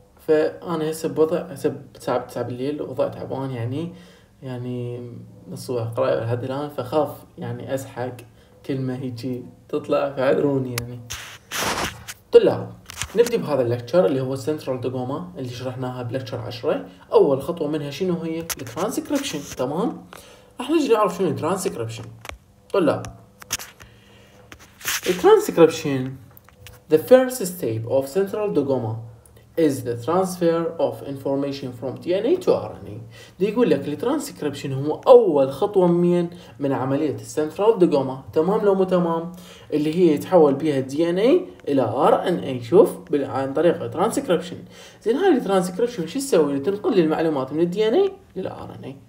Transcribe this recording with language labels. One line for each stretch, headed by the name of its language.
Arabic: فانا هسه بوضع، هسه تعب تعب الليل، ووضع تعبان يعني نص قراءه لحد الان، فخاف يعني اسحق كلمه هيجي تطلع، فعذروني يعني. طلاب، نبدأ بهذا اللكتشر اللي هو سنترال دوغوما اللي شرحناها بلكتشر 10. اول خطوه منها شنو هي؟ الترانسكريبشن. تمام، احنا نجي نعرف شنو الترانسكريبشن.
English: طلاب، الترانسكريبشن the first step of central dogma is the transfer of information from DNA to RNA.
Arabic: دي يقول لك الترانسكريبشن هو اول خطوه من عمليه السنترال دوغوما. تمام لو مو تمام، اللي هي يتحول بها الدي ان اي الى ار ان اي. شوف، عن طريق الترانسكريبشن. زين، هاي الترانسكريبشن شو تسوي؟ تنقل لي المعلومات من الدي ان اي الى ار ان اي.